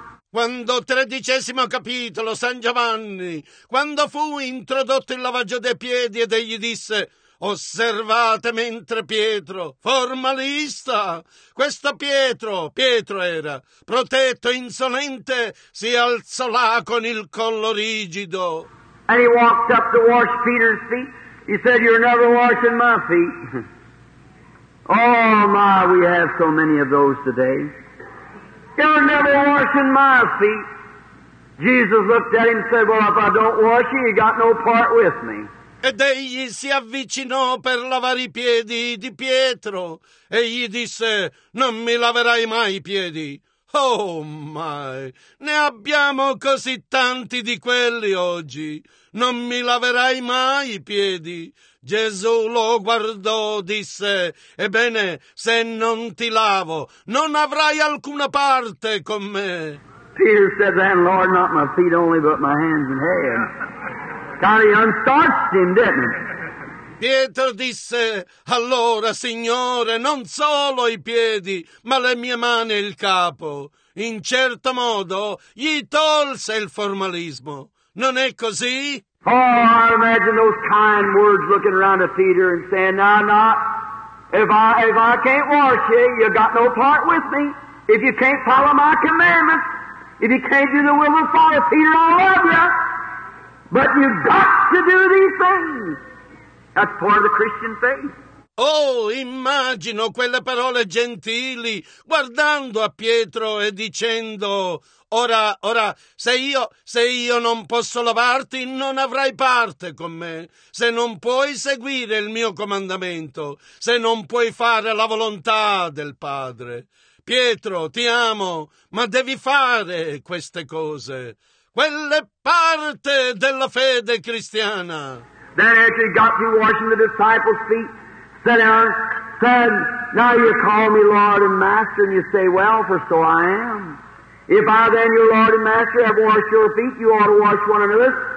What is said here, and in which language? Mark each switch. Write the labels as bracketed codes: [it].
[it] quando tredicesimo capitolo San Giovanni, quando fu introdotto il lavaggio dei piedi ed egli disse, osservate mentre Pietro, formalista, questo Pietro era, protetto, insolente, si alzò là con il collo rigido. [en] And he walked up to wash Peter's feet. He said, you're never washing my feet. Oh, my, we have so many of those today. You're never washing my feet. Jesus looked at him and said, well, if I don't wash you, you got no part with me. [it] Ed egli si avvicinò per lavare i piedi di Pietro e gli disse, non mi laverai mai i piedi. [en] Oh, my, [it] ne abbiamo così tanti di quelli oggi. Non mi laverai mai i piedi. Gesù lo guardò, disse, ebbene, se non ti lavo, non avrai alcuna parte con me. [en] Peter said, then, Lord, not my feet only, but my hands and head. Kind of unstarched him, didn't he? [it] Pietro disse, allora, Signore, non solo i piedi, ma le mie mani e il capo. In certo modo, gli tolse il formalismo. Non è così? [en] Oh, I imagine those kind words looking around at Peter and saying, now, not, if I can't wash you, you got no part with me. If you can't follow my commandments, if you can't do the will of the Father, Peter, I love you. But you've got to do these things. That's part of the Christian faith. [it] Oh, immagino quelle parole gentili guardando a Pietro e dicendo, ora, se io non posso lavarti, non avrai parte con me. Se non puoi seguire il mio comandamento, se non puoi fare la volontà del Padre. Pietro, ti amo, ma devi fare queste cose. Quelle parte della fede cristiana. [en] Then after he got to washing the disciples' feet, sat down, said, now you call me Lord and Master, and you say, well, for so I am. If I then, your Lord and Master, have washed your feet, you ought to wash one another's.